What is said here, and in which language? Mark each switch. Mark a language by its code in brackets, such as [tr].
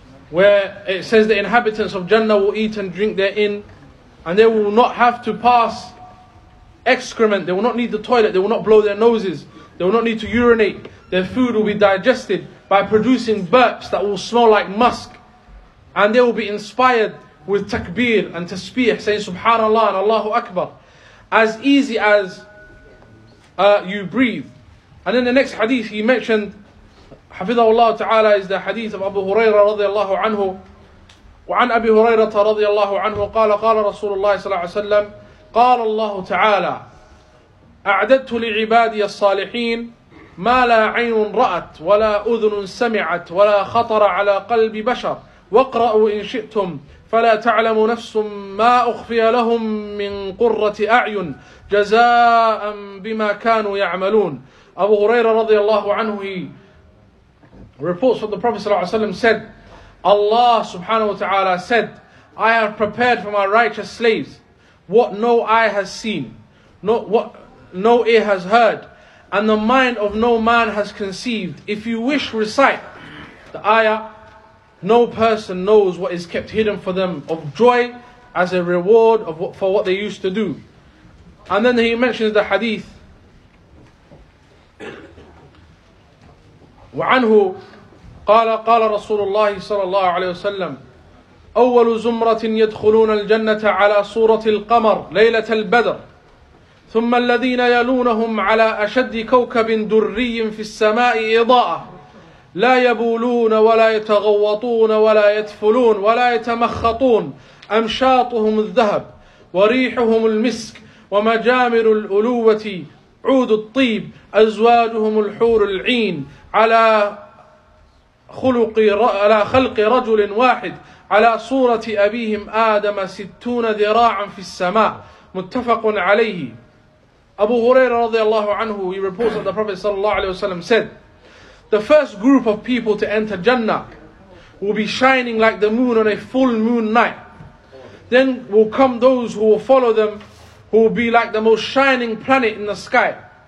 [en] where it says the inhabitants of Jannah will eat and drink therein, and they will not have to pass excrement, they will not need the toilet, they will not blow their noses, they will not need to urinate, their food will be digested by producing burps that will smell like musk, and they will be inspired with takbir and tasbih, saying subhanallah and allahu akbar, as easy as you breathe. And then the next hadith he mentioned, Hafidhahullah Ta'ala, is the hadith of Abu Huraira radiallahu anhu. [ar] وعن أبي هريرة رضي الله عنه قال قال رسول الله صلى الله عليه وسلم قال الله تعالى أعددت لعبادي الصالحين ما لا عين رأت ولا أذن سمعت ولا خطر على قلب بشر واقرأوا إن شئتم فلا تعلم نفس ما أخفي لهم من قرة أعين جزاء بما كانوا يعملون. [en] أبو هريرة [ar] رضي الله عنه [en] reports from the Prophet صلى الله عليه وسلم said, Allah subhanahu wa ta'ala said, I have prepared for my righteous slaves what no eye has seen, no ear has heard, and the mind of no man has conceived. If you wish, recite the ayah. No person knows what is kept hidden for them of joy as a reward of what, for what they used to do. And then he mentions the hadith. [ar] وَعَنْهُ قال قال رسول الله صلى الله عليه وسلم أول زمرة يدخلون الجنة على صورة القمر ليلة البدر ثم الذين يلونهم على أشد كوكب دري في السماء إضاءة لا يبولون ولا يتغوطون ولا يتفلون ولا يتمخطون أمشاطهم الذهب وريحهم المسك ومجامر الألوة عود الطيب أزواجهم الحور العين على خلق على خلق رجل واحد على صورة أبيهم آدم 60 ذراعا في السماء متفق عليه. [en] أبو هريرة [ar] رضي الله عنه [en] he reports that the Prophet صلى الله عليه وسلم said, the first group of people to enter Jannah will be shining like the moon on a full moon night. Then will come those who will follow them, who will be like the most shining planet in the sky.